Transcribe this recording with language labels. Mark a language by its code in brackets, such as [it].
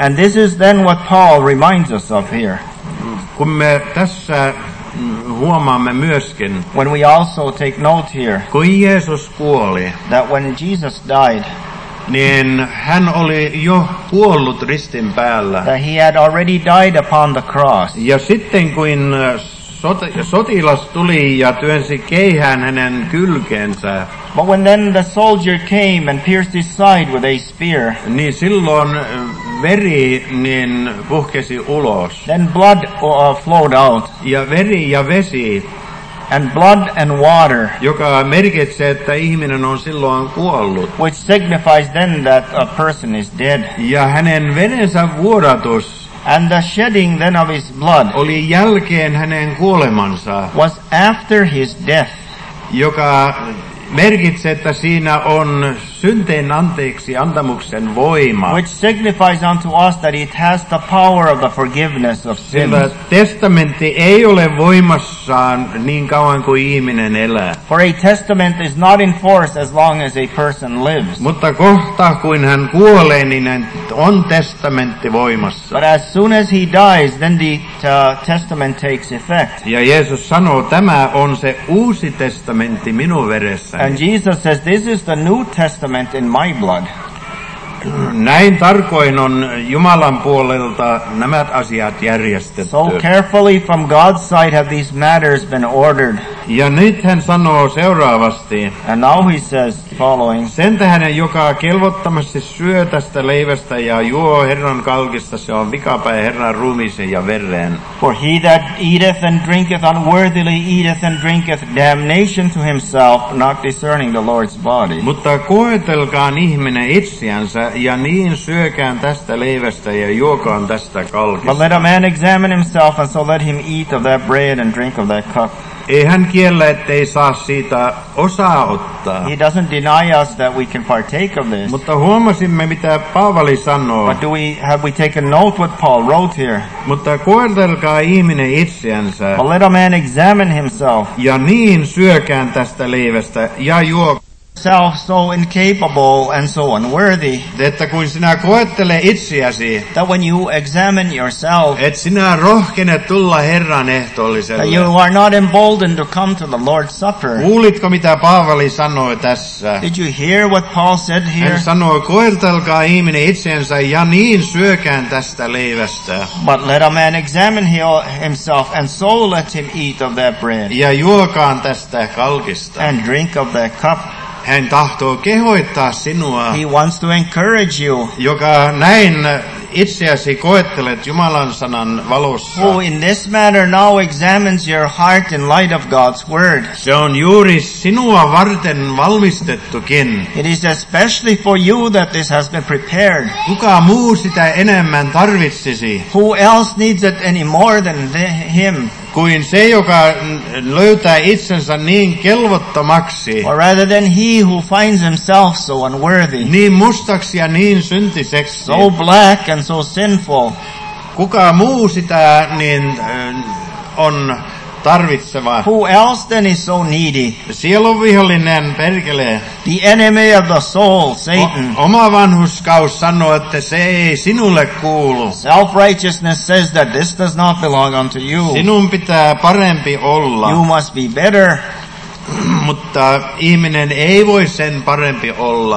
[en] And this is then what Paul reminds us of here. [fi] Kun me tässä huomaamme myöskin, [en] when we also take note here, [fi] kun Jeesus kuoli, [en] that when Jesus died, [fi] niin hän oli jo kuollut ristin päällä. [en] That he had already died upon the cross. [fi] Ja sitten kun Sotilas tuli ja työnsi keihään hänen kylkeensä. [en] But when then the soldier came and pierced his side with a spear. [fi] Niin silloin veri niin puhkesi ulos. [en] Then blood flowed out. [fi] Ja veri ja vesi. [en] And blood and water. [fi] Joka merkitsee, että ihminen on silloin kuollut. [en] Which signifies then that a person is dead. [fi] Ja hänen verensä vuodatus. [en] And the shedding then of his blood. [fi] Oli jälkeen hänen kuolemansa. [en] Was after his death. [fi] Joka merkitsee, että siinä on synteen anteeksi antamuksen voima. [en] Which signifies unto us that it has the power of the forgiveness of sins. [fi] Sillä testamentti ei ole voimassaan niin kauan kuin ihminen elää. [en] For a testament is not in force as long as a person lives. [fi] Mutta kohta kuin hän kuolee, niin on testamentti voimassa. [en] But as soon as he dies, then the testament takes effect. [fi] Ja Jeesus sanoo, tämä on se uusi testamentti minun veressä. [en] And Jesus says, this is the New Testament in my blood. [fi] Näin tarkoin on Jumalan puolelta nämä asiat järjestetty. [en] So carefully from God's side have these matters been ordered. [fi] Ja nyt hän sanoo seuraavasti. [en] And now he says following. [fi] Sen tähän, joka kelvottomasti syö tästä leivästä ja juo Herran kalkista, se on vikapäin Herran ruumiiseen ja verreen. [en] For he that eateth and drinketh unworthily eateth and drinketh damnation to himself, not discerning the Lord's body. [fi] Mutta koetelkaan ihminen itseänsä. Ja niin syökään tästä leivästä ja juokaan tästä kalkista. [en] But let a man examine himself, and so let him eat of that bread and drink of that cup. [fi] Ei hän kiellä, ettei saa siitä osaa ottaa. [en] He doesn't deny us that we can partake of this. [fi] Mutta huomasimme, mitä Paavali sanoo. [en] But have we taken note what Paul wrote here? [fi] Mutta koetelkaa ihminen itseänsä. [en] But let a man examine himself. [fi] Ja niin syökään tästä leivästä ja juokaan. [en] Self so incapable and so unworthy. [fi] Että kun sinä koettele itseäsi, [en] that when you examine yourself, [fi] et sinä rohkene tulla Herran ehtoolliselle. [en] That you are not emboldened to come to the Lord's Supper. [fi] Kuulitko mitä Paavali sanoi tässä? [en] Did you hear what Paul said here? [fi] Hän sanoi, koeteltelkaa ihminen itseänsä ja niin syökään tästä leivästä. [en] But let a man examine himself and so let him eat of that bread. [fi] Ja juokaan tästä kalkista. [en] And drink of that cup. [fi] Hän tahtoo kehoittaa sinua. [en] He wants to encourage you. [fi] Joka näin itseäsi koettelet Jumalan sanan valossa. [en] Who in this manner now examines your heart in light of God's word. [fi] Se on juuri sinua varten valmistettukin. [en] It is especially for you that this has been prepared. [fi] Kuka muu sitä enemmän tarvitsisi? [en] Who else needs it any more than him? [fi] Kuin se, joka löytää itsensä niin kelvottomaksi. [en] Or rather than he who finds himself so unworthy. [fi] Niin mustaksi ja niin syntiseksi. [en] So black and so sinful. [fi] Kuka muu sitä niin on tarvitseva. [en] Who else then is so needy? [fi] Sielun vihollinen, perkele. [en] The enemy of the soul, Satan. [fi] Oma vanhuskaus sanoo, että se ei sinulle kuulu. [en] Self-righteousness says that this does not belong unto you. [fi] Sinun pitää parempi olla. [en] You must be better. [fi] Mutta ihminen ei voi sen parempi olla.